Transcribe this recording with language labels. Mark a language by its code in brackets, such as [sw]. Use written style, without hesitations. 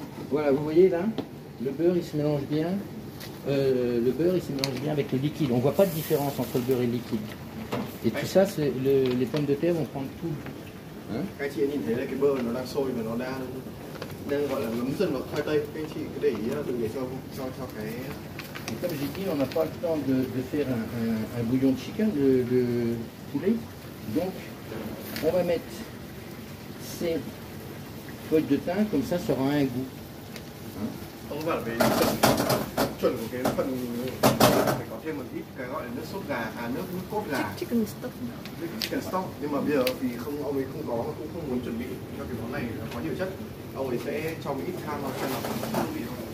[fr] Voilà, vous voyez là, le beurre il se mélange bien. Le beurre il se mélange bien avec le liquide. On voit pas de différence entre le beurre et le liquide. Et tout ça, c'est le, les pommes de terre vont prendre tout. Hein? [vi] Các anh chị nhìn thấy là cái beurre nó đang sôi và nó đang gọi là ngấm dần vào khoai tây. Các anh chị cứ để ý là đừng để cho cái. [fr] Comme j'ai dit, on n'a pas le temps de faire un bouillon de chicken, de poulet. Donc, on va mettre ces feuilles de thym, comme ça, ça aura un goût. On va mettre une sauce. [vi] Chuẩn của cái phần này, phải có thêm một ít cái gọi là nước sốt gà, à nước cốt gà. [en] Chicken stock. Chicken stock, [vi] nhưng mà bây giờ thì không, ông ấy không có, cũng không muốn chuẩn bị cho cái món này có nhiều chất. Ông ấy sẽ cho một ít than vào cho nó có hương vị thôi.